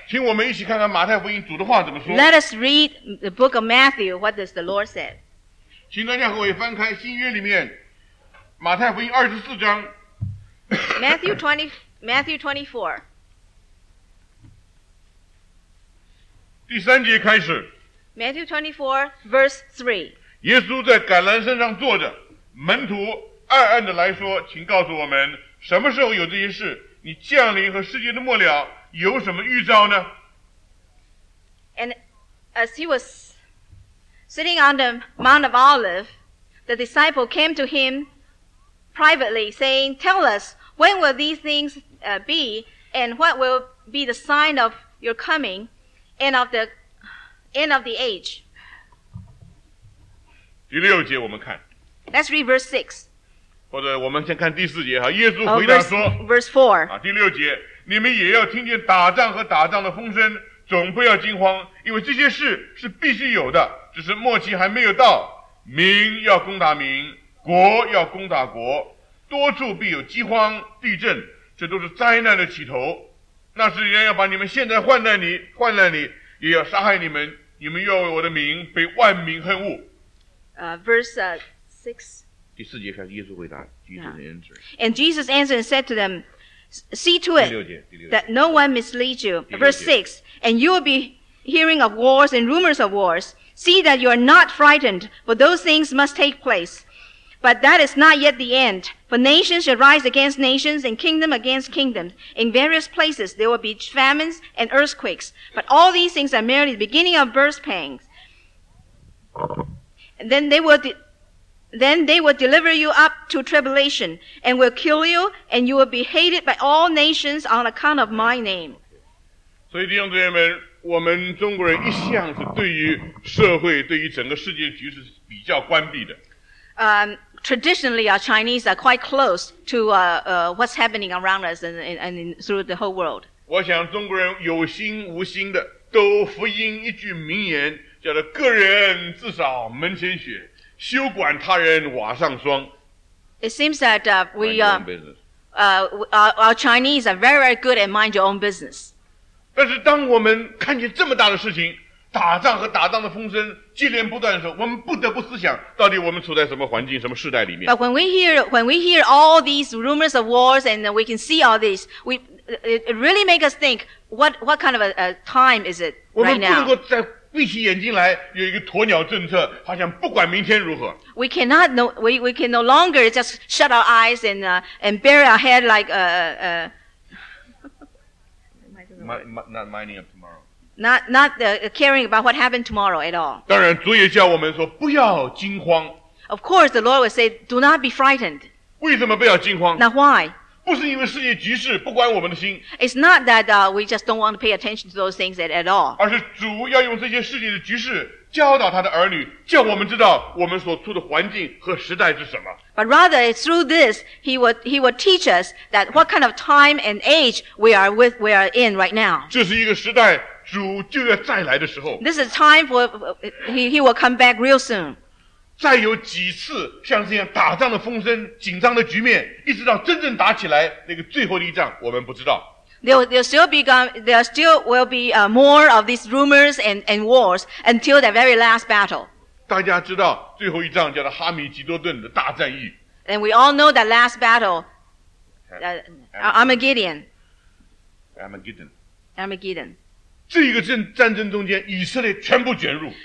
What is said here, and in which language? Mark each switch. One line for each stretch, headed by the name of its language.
Chinese: 请我们一起看看马太福音主的话怎么说。
English: Let us read the book of Matthew. What does the Lord say?
Chinese: 请大家和我也翻开新约里面马太福音二十四章。
English: Matthew 24.
Chinese: 第三节开始。
English: Matthew 24:3.
Chinese: 耶稣在橄榄山上坐着，门徒暗暗的来说：“请告诉我们什么时候有这些事。” 你降临和世界的末了有什么预兆呢？
English: And as he was sitting on the Mount of Olives, the disciple came to him privately, saying, Tell us, when will these things be, and what will be the sign of your coming and of the end of the age?
Chinese: 第六节我们看。
English: Let's read verse 6.
Chinese: 或者我们先看第四节哈，耶稣回答说
English: verse 4、
Chinese: 啊、第六节，你们也要听见打仗和打仗的风声，总不要惊慌，因为这些事是必须有的，只是末期还没有到。民要攻打民，国要攻打国，多处必有饥荒、地震，这都是灾难的起头。那时人要把你们陷在患难里，也要杀害你们，你们要为我的名被万民恨恶。
English: And Jesus answered and said to them, See to it that no one misleads you. Verse 6, And you will be hearing of wars and rumors of wars. See that you are not frightened, for those things must take place. But that is not yet the end. For nations shall rise against nations and kingdom against kingdom. In various places there will be famines and earthquakes. But all these things are merely the beginning of birth pangs. And then they will... Then they will deliver you up to tribulation and will kill you and you will be hated by all nations on account of my name.
Chinese: 所以弟兄姊妹们，我们中国人一向是对于社会对于整个世界局势比较关闭的。
English: traditionally, our Chinese are quite close to what's happening around us and through the whole world.
Chinese: 我想中国人有心无心的都福音一句名言，叫做"个人至少门前雪，休管他人瓦上霜"。
English: It seems that our Chinese are very, very good at mind your own business.
Chinese: 但是当我们看见这么大的事情，打仗和打仗的风声接连不断的时候，我们不得不思想，到底我们处在什么环境、什么时代里面。
English: But when we hear all these rumors of wars and we can see all this, it really makes us think what kind of a time is it right now?
Chinese: 我们不能够再闭起眼睛来有一个鸵鸟政策，好像不管明天如何。
English: We can no longer just shut our eyes and bury our head like not minding up tomorrow. Not caring about what happened tomorrow at all.
Chinese: 当然，主也叫我们说不要惊慌。
English: Of course, the Lord would say, "Do not be frightened."
Chinese: 为什么不要惊慌
English: ？Now why?
Chinese: 不是因为世界局势不关我们的心。
English: It's not that we just don't want to pay attention to those things at all.
Chinese: 而是主要用这些世界的局势教导他的儿女，叫我们知道我们所处的环境和时代是什么。
English: But rather, through this, he would teach us that what kind of time and age we are in right now.
Chinese: 这是一个时代。主就要再来的时候
English: This is time for he will come back real soon.
Chinese: 再有几次像这样打仗的风声、紧张的局面，一直到真正打起来那个最后的一仗，我们不知道。
English: There will still be more of these rumors and wars until the very last battle.
Chinese: 大家知道最后一仗叫做哈米吉多顿的大战役。
English: And we all know that last battle, Armageddon. Armageddon.
Chinese: 这一个战争中间，以色列全部卷入。